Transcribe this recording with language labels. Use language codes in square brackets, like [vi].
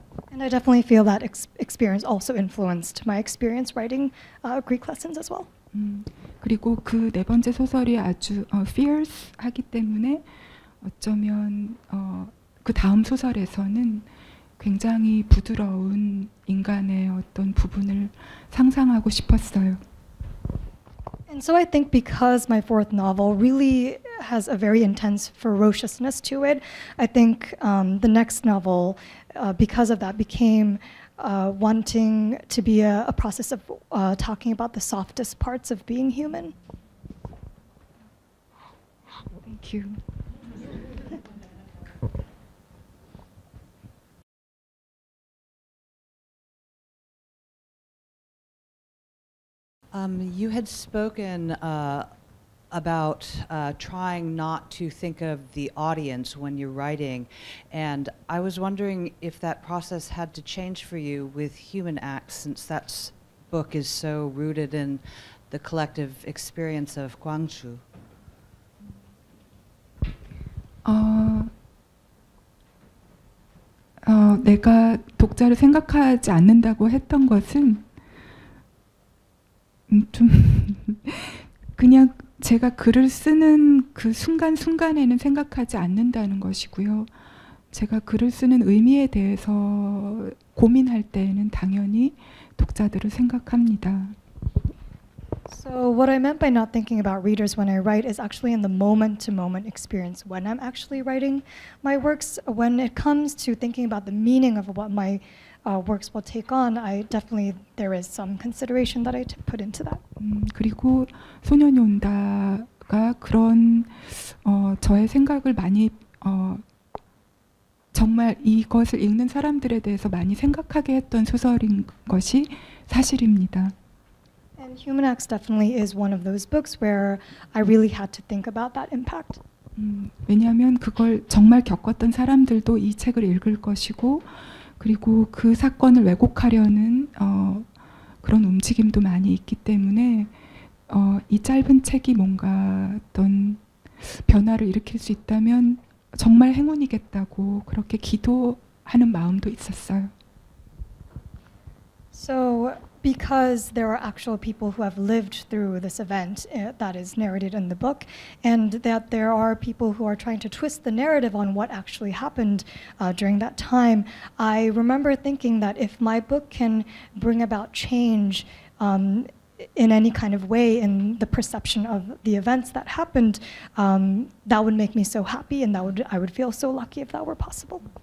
[en] And I definitely feel that experience also influenced my experience writing Greek lessons as well. [ko] 그리고 그 네 번째 소설이 아주 fierce하기 때문에 어쩌면 그 다음 소설에서는 굉장히 부드러운 인간의 어떤 부분을 상상하고 싶었어요. [en] And so I think because my fourth novel really has a very intense ferociousness to it, I think the next novel, because of that, became wanting to be a process of talking about the softest parts of being human. Thank you. You had spoken about trying not to think of the audience when you're writing. And I was wondering if that process had to change for you with Human Acts, since that book is so rooted in the collective experience of Guangzhou. [ko] I 독자를 생각하지 않는다고 했던 것은 좀 그냥 제가 글을 쓰는 그 순간순간에는 생각하지 않는다는 것이고요. 제가 글을 쓰는 의미에 대해서 고민할 때에는 당연히 독자들을 생각합니다. [en] So what I meant by not thinking about readers when I write is actually in the moment-to-moment experience when I'm actually writing my works. When it comes to thinking about the meaning of what my works will take on, I definitely there is some consideration that I put into that. [ko] 그리고 소년이 온다가 그런 저의 생각을 많이 정말 이것을 읽는 사람들에 대해서 많이 생각하게 했던 소설인 것이 사실입니다. [en] And Human Acts definitely is one of those books where I really had to think about that impact. [ko] 왜냐하면 그걸 정말 겪었던 사람들도 이 책을 읽을 것이고 그리고 그 사건을 왜곡하려는 그런 움직임도 많이 있기 때문에 이 짧은 책이 뭔가 어떤 변화를 일으킬 수 있다면 정말 행운이겠다고 그렇게 기도하는 마음도 있었어요. [en] So because there are actual people who have lived through this event that is narrated in the book, and that there are people who are trying to twist the narrative on what actually happened during that time, I remember thinking that if my book can bring about change in any kind of way in the perception of the events that happened, that would make me so happy, and I would feel so lucky if that were possible.